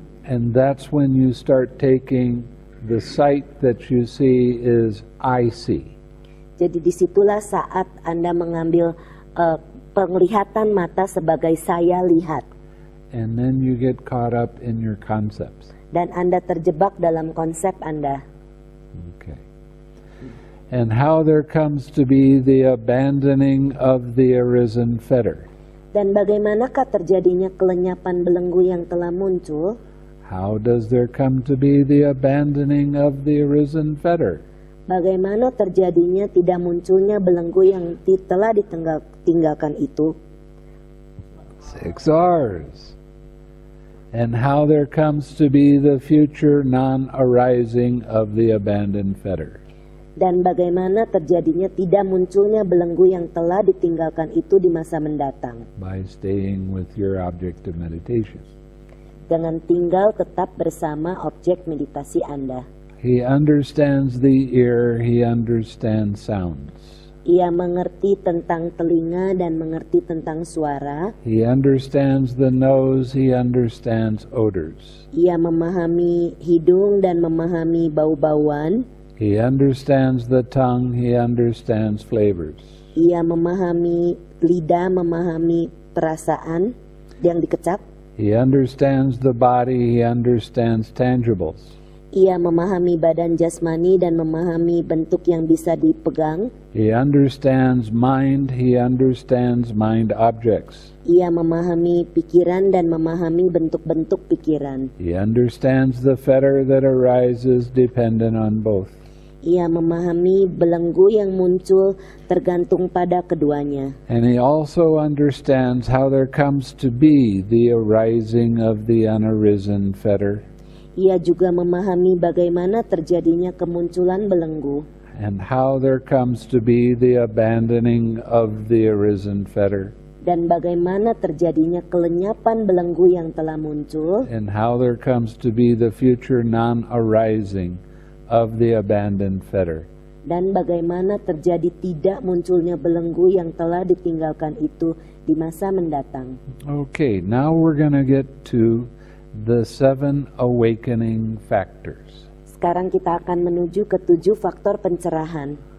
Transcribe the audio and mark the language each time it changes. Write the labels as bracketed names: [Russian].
[English] And that's when you start taking the sight that you see is I see. [Indonesian] Jadi disitulah saat Anda mengambil penglihatan mata sebagai saya lihat. [English] And then you get caught up in your concepts. [Indonesian] Dan Anda terjebak dalam konsep Anda. [English] Okay. And how there comes to be the abandoning of the arisen fetter. [Indonesian] Dan bagaimanakah terjadinya kelenyapan belenggu yang telah muncul? [English] How does there come to be the abandoning of the arisen fetter? [Indonesian] Bagaimana terjadinya tidak munculnya belenggu yang telah ditinggalkan itu? [English] Six R's. And how there comes to be the future non-arising of the abandoned fetter. [Indonesian] Dan bagaimana terjadinya tidak munculnya belenggu yang telah ditinggalkan itu di masa mendatang? [English] By staying with your object of meditation. [Indonesian] Dengan tinggal tetap bersama objek meditasi Anda. [English] He understands the ear, he understands sounds. [Indonesian] Ia mengerti tentang telinga dan mengerti tentang suara. [English] He understands the nose, he understands odors. [Indonesian] Ia memahami hidung dan memahami bau-bauan. [English] He understands the tongue, he understands flavors. [Indonesian] Ia memahami lidah, memahami perasaan yang dikecap. [English] He understands the body, he understands tangibles. [Indonesian] Ia memahami badan jasmani dan memahami bentuk yang bisa dipegang. [English] He understands mind, he understands mind objects. [Indonesian] Ia memahami pikiran dan memahami bentuk-bentuk pikiran. [English] He understands the fetter that arises dependent on both. [Indonesian] Ia memahami belenggu yang muncul tergantung pada keduanya. [English] And he also understands how there comes to be the arising of the unarisen fetter. [Indonesian] Ia juga memahami bagaimana terjadinya kemunculan belenggu. [English] And how there comes to be the abandoning of the arisen fetter. [Indonesian] Dan bagaimana terjadinya kelenyapan belenggu yang telah muncul. [English] And how there comes to be the future non-arising of the abandoned fetter. [Indonesian] Dan bagaimana terjadi tidak munculnya belenggu yang telah ditinggalkan itu di masa mendatang. [English] Okay, now we're gonna get to the seven awakening factors. [Indonesian] Sekarang kita akan menuju ke tujuh faktor pencerahan.